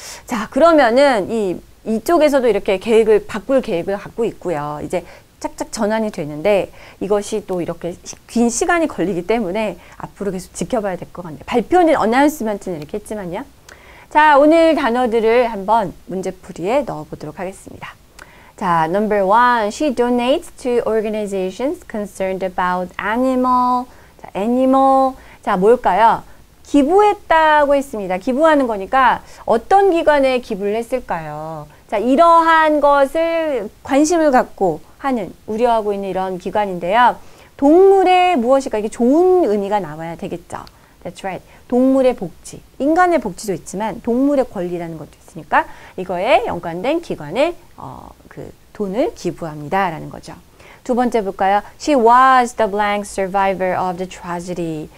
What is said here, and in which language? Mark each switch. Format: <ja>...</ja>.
<ko>자, 그러면은 이쪽에서도 이렇게 계획을 바꿀 계획을 갖고 있고요. 이제 착착 전환이 되는데 이것이 또 이렇게 긴 시간이 걸리기 때문에 앞으로 계속 지켜봐야 될 것 같네요. 발표는 어나운스먼트는 이렇게 했지만요. 자, 오늘 단어들을 한번 문제풀이에 넣어보도록 하겠습니다.</ko> <en>자, number one, she donates to organizations concerned about animal.</en> <ko>자, animal. 자, 뭘까요? 기부했다고 했습니다. 기부하는 거니까 어떤 기관에 기부를 했을까요? 자, 이러한 것을 관심을 갖고 하는, 우려하고 있는 이런 기관인데요. 동물의 무엇일까? 이게 좋은 의미가 나와야 되겠죠.</ko> <en>That's right.</en> <ko>동물의 복지. 인간의 복지도 있지만 동물의 권리라는 것도 있으니까 이거에 연관된 기관에 그 돈을 기부합니다. 라는 거죠. 두 번째 볼까요?</ko> <en>She was the blank survivor of the tragedy.</en>